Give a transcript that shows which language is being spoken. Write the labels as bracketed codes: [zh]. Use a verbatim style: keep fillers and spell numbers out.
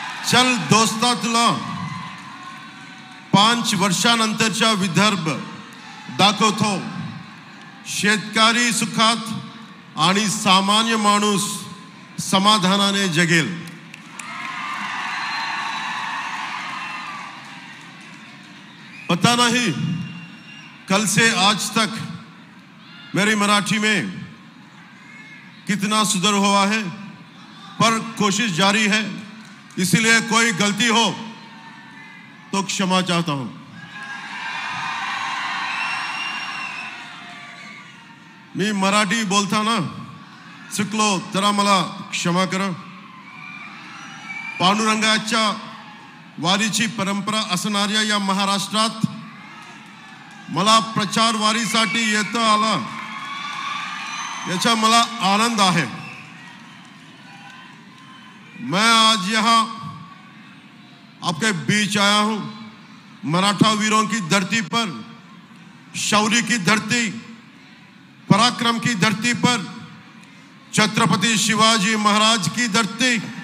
[mr] चल दोस्ता, तुला पाच वर्षानंतरचा विदर्भ दाखवतो. शेतकरी सुखात आणि सामान्य माणूस समाधानाने जगेल. [hi] पता नहीं कल से आज तक मेरी मराठी में कितना सुधर हुआ है, पर कोशिश जारी है. इसलिए कोई गलती हो तो क्षमा चाहता हूं. [mr] मी मराठी बोलता ना शिकलो, जरा मला क्षमा करा. पांडुरंगाच्या वारीची परंपरा असणाऱ्या या महाराष्ट्रात मला प्रचार वारीसाठी येता आला, याचा मला आनंद आहे. [hi] मैं आज यहाँ आपके बीच आया हूं, मराठा वीरों की धरती पर, शौर्य की धरती, पराक्रम की धरती पर, छत्रपति शिवाजी महाराज की धरती.